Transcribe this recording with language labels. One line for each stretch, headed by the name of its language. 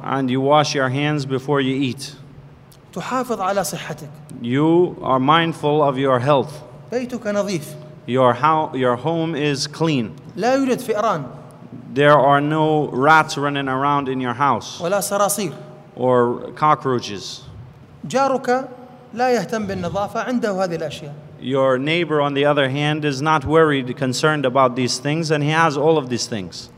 English: And you wash your hands before you eat.
Arabic: تحافظ على صحتك.
English: You are mindful of your health.
Arabic: بيتك نظيف.
English: Your home is clean.
Arabic: لا يوجد فئران.
English: There are no rats running around in your house.
Arabic: ولا صراصير.
English: Or cockroaches.
Arabic: جارك لا يهتم بالنظافة عنده هذه الأشياء.
English: Your neighbor, on the other hand, is not worried, concerned about these things, and he has all of these things.